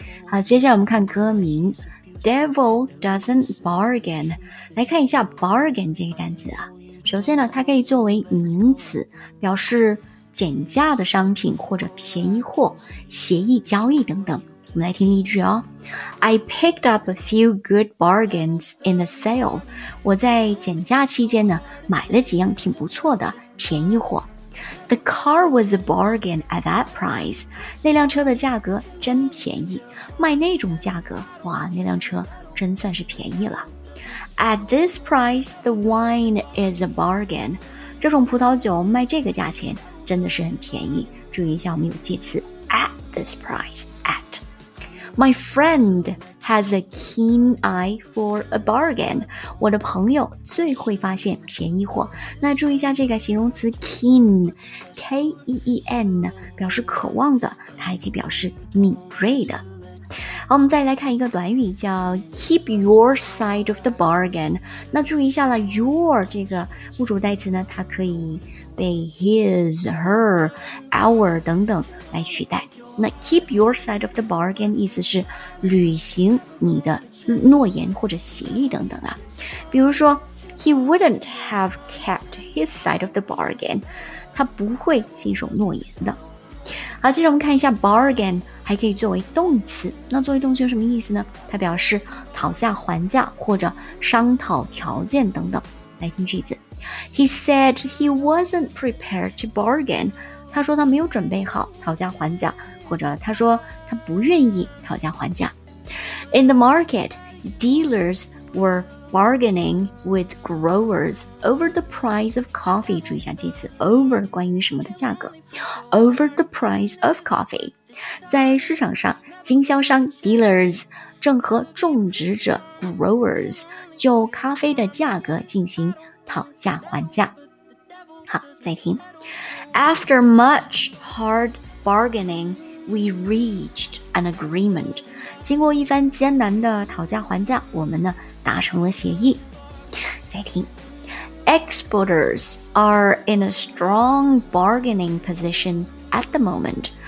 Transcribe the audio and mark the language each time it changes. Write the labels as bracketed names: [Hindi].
[Chinese] 好，接下来我们看歌名 Devil Doesn't Bargain， 来看一下 bargain 这个单词啊。首先呢，它可以作为名词表示减价的商品或者便宜货、协议交易等等。我们来听一句哦。 [English] I picked up a few good bargains in the sale. [Chinese] 我在减价期间呢，买了几样挺不错的便宜货。 [English] The car was a bargain at that price. [Chinese] 那辆车的价格真便宜。卖那种价格，哇，那辆车真算是便宜了。 [English] At this price, the wine is a bargain. [Chinese] 这种葡萄酒卖这个价钱真的是很便宜。注意一下，我们有介词 [English] at this price [Chinese] at。 [English] My friend has a keen eye for a bargain. [Chinese] 我的朋友最会发现便宜货。那注意一下这个形容词 keen, K-E-E-N, 表示渴望的，它还可以表示敏锐的。好，我们再来看一个短语叫 [English] keep your side of the bargain。 [Chinese] 那注意一下了 ,your 这个物主代词呢，它可以被 his, her, our 等等来取代。那 [English] keep your side of the bargain [Chinese] 意思是履行你的诺言或者协议等等啊。比如说 , [English] he wouldn't have kept his side of the bargain, [Chinese] 他不会信守诺言的。好，接着我们看一下 bargain 还可以作为动词。那作为动词有什么意思呢？它表示讨价还价或者商讨条件等等。来听句子。 [English] He said he wasn't prepared to bargain. [Chinese] 他说他没有准备好讨价还价，或者他说他不愿意讨价还价。 [English] In the market, dealers were bargaining with growers over the price of coffee. [Chinese] 注意一下这次 over 关于什么的价格。 [English] Over the price of coffee. [Chinese] 在市场上，经销商 dealers 正和种植者 growers 就咖啡的价格进行讨价还价。好，再听。 [English] After much hard bargaining,We reached an agreement. [Chinese] 经过一番艰难的讨价还价，我们呢达成了协议。再听。 [English] Exporters are in a strong bargaining position at the moment.